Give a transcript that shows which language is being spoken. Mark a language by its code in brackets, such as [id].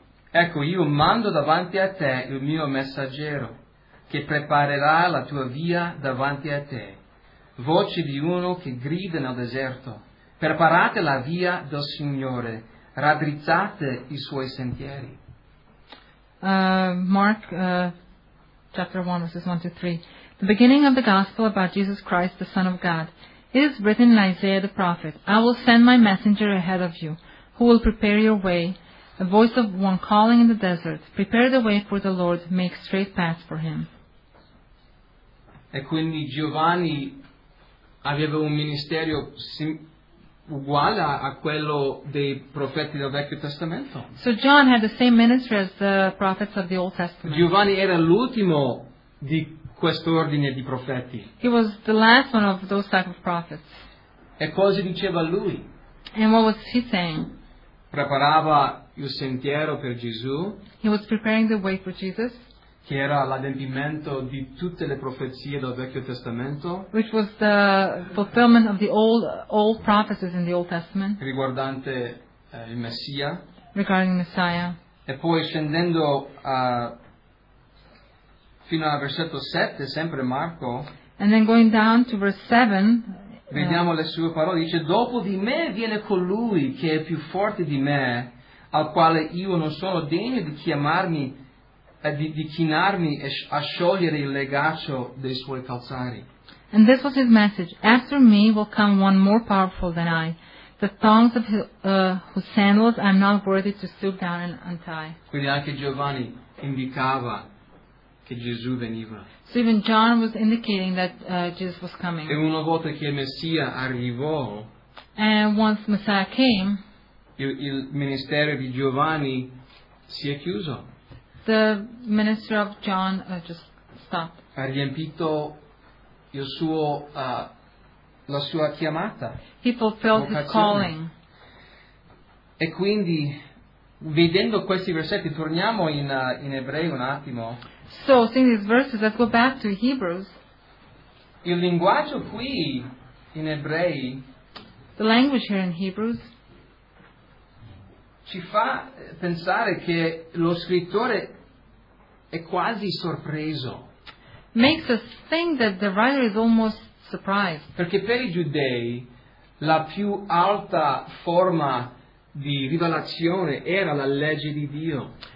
[it] Ecco, io mando davanti a te il mio messaggero, che preparerà la tua via davanti a te. Voce di uno che grida nel deserto. Preparate la via del Signore, raddrizzate i suoi sentieri. [en] Mark, chapter 1, verses 1 to 3. The beginning of the gospel about Jesus Christ, the Son of God. It is written in Isaiah the prophet, I will send my messenger ahead of you, who will prepare your way. A voice of one calling in the desert, prepare the way for the Lord, make straight paths for him. [it] E quindi Giovanni aveva un ministerio uguale a quello dei profeti del Vecchio Testamento. [en] So John had the same ministry as the prophets of the Old Testament. [it] Giovanni era l'ultimo di questo ordine di profeti. [en] He was the last one of those type of prophets. [it] E cosa diceva lui? [en] And what was he saying? [it] Preparava il sentiero per Gesù. [en] He was preparing the way for Jesus. [it] Che era l'adempimento di tutte le profezie del Vecchio Testamento. [en] Which was the fulfillment of the old prophecies in the Old Testament. [it] Riguardante il Messia. [en] Regarding Messiah. [it] E poi scendendo fino al versetto 7, sempre Marco. [en] And then going down to verse 7. [it] Vediamo le sue parole. Dice, dopo di me viene colui che è più forte di me, al quale io non sono degno di chiamarmi, di chinarmi e a sciogliere il legaccio dei suoi calzari. [en] And this was his message. After me will come one more powerful than I, the thongs of whose sandals I am not worthy to stoop down and untie. [it] Quindi anche Giovanni indicava che Gesù veniva. [en] So even John was indicating that Jesus was coming. [it] E una volta che il Messia arrivò, [en] and once Messiah came, [it] il ministero di Giovanni si è chiuso. [en] The ministry of John just stopped. [it] Ha riempito il suo la sua chiamata. [en] He fulfilled his calling. [it] E quindi, vedendo questi versetti, torniamo in ebrei un attimo. [en] So, seeing these verses, let's go back to Hebrews. [it] Il linguaggio qui in ebrei. [en] The language here in Hebrews. [it] Ci fa pensare che lo scrittore è quasi sorpreso. [en] Makes us think that the writer is almost surprised. [it] Perché per i giudei la più alta forma di rivelazione era la legge di Dio.